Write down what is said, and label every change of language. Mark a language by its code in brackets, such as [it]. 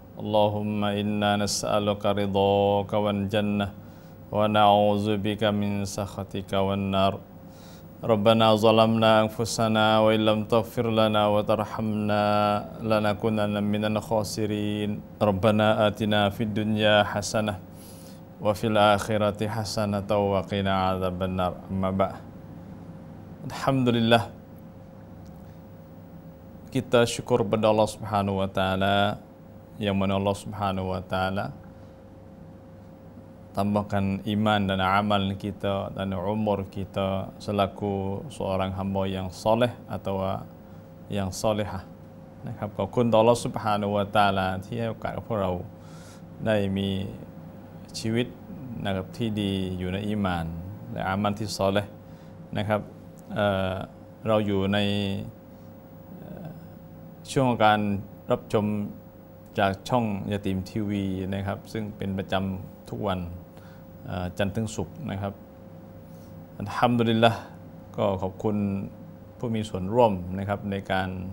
[ar] اللهم إنا نسألك رضاك والجنة ونعوذ بك من سخطك والنار. ربنا ظلمنا أنفسنا وإن لم تغفر لنا وترحمنا لنكونن من الخاسرين. ربنا آتنا في الدنيا حسنة وفي الآخرة حسنة وقنا عذاب النار. أما بعد، الحمد لله [ms] kita syukur kepada Allah Subhanahu wa taala, yang mana Allah Subhanahu wa taala tambahkan iman dan amal kita dan umur kita selaku seorang hamba yang soleh atau yang solehah. [th] Nah, ครับ ขอบคุณ Allah Subhanahu wa taala ที่ให้โอกาสพวกเราได้มีชีวิตนะครับที่ดีอยู่ใน iman และ amal ที่ soleh นะครับเราอยู่ใน ช่วงการรับชมจากช่องยาติมทีวีนะครับซึ่งเป็นประจำทุกวันจันทร์ถึงศุกร์นะครับอัลฮัมดุลิลละห์ก็ขอบคุณผู้มีส่วนร่วมนะครับในการ